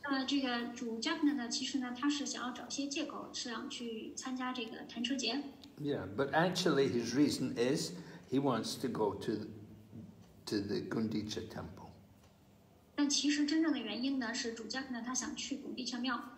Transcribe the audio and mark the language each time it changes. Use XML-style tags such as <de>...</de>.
<zh>这个主加格纳呢，其实呢，他是想要找些借口，是想去参加这个弹车节。</zh> <en>Yeah, but actually his reason is he wants to go to the Gundicha temple.</en> <zh>但其实真正的原因呢，是主加格纳他想去古地下庙。</zh>